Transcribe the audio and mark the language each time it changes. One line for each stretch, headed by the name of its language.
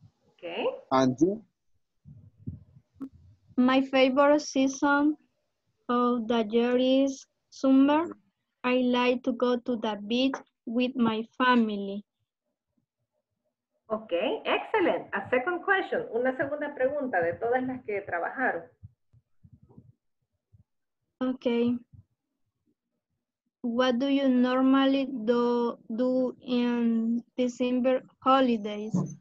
English: Okay. And you? My favorite season of the year is summer. I like to go to the beach with my family. Okay, excellent. A second question.
Spanish: Una segunda pregunta de todas las que trabajaron.
English: Okay. What do you normally do in December holidays?